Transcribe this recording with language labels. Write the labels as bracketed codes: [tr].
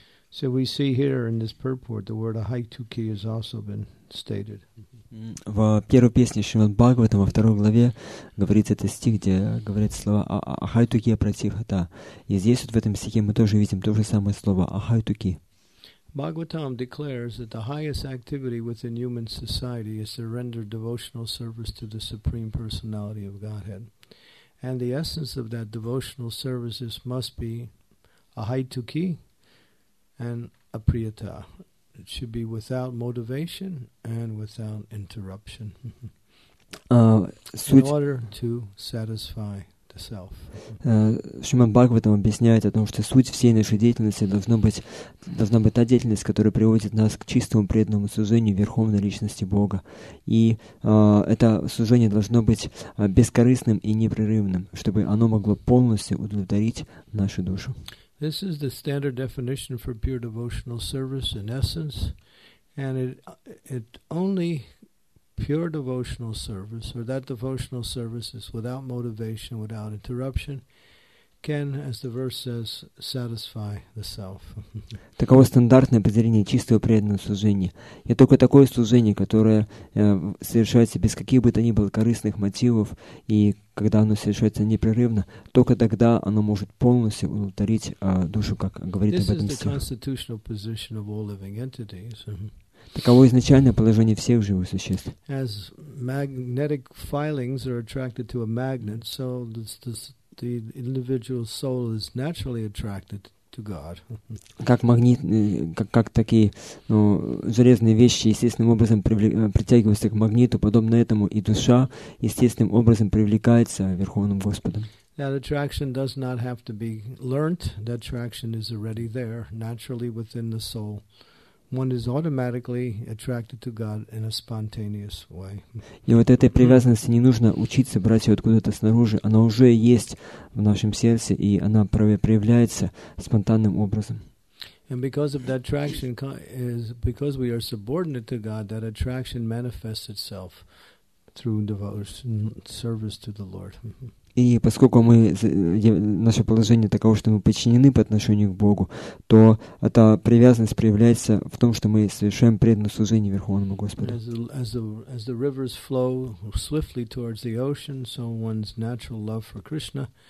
[en] So we see here in this purport the word Ahoituki has also been stated. [ru] В первой песне Шримад Бхагаватам во второй главе говорится этот стих, где говорится слово Ахайтуки Апратихата. И здесь вот в этом стихе мы тоже видим то же самое слово Ахайтуки. [en] Bhagavatam declares that the highest activity within human society is to render devotional service to the Supreme Personality of Godhead. And the essence of that devotional service must be Ahaituki and Apriyata. It should be without motivation and without interruption. In order to satisfy the self. [ru] Шримад Бхагаватам объясняет о том, что суть всей нашей деятельности должна быть та деятельность, которая приводит нас к чистому преданному служению Верховной Личности Бога. И это служение должно быть бескорыстным и непрерывным, чтобы оно могло полностью удовлетворить нашу душу. [en] This is the standard definition for pure devotional service in essence, and it only pure devotional service, or that devotional service is without motivation, without interruption, can, as the verse says, satisfy the self. [ru] Таково стандартное определение чистого преданного служения. И только такое служение, которое совершается без каких бы то ни было корыстных мотивов, и когда оно совершается непрерывно, только тогда оно может полностью удовлетворить душу, как говорит об этом стих. [en] This is the constitutional position of all living entities. [ru] Таково изначальное положение всех живых существ. [en] As magnetic filings are attracted to a magnet, so the individual soul is naturally attracted to God. [ru] Как магнит, как такие, ну, железные вещи естественным образом притягиваются к магниту, подобно этому и душа естественным образом привлекается Верховным Господом. [en] That attraction does not have to be learnt. That attraction is already there, naturally within the soul. One is automatically attracted to God in a spontaneous way. [ru] И вот этой привязанности не нужно учиться брать ее откуда-то снаружи. Она уже есть в нашем сердце, и она проявляется спонтанным образом. [en] And because of that attraction, because we are subordinate to God, that attraction manifests itself through devotion, service to the Lord. [ru] И поскольку мы, наше положение таково, что мы подчинены по отношению к Богу, то эта привязанность проявляется в том, что мы совершаем преданное служение Верховному Господу. [en] As the rivers flow swiftly towards the ocean, so one's natural love for Krishna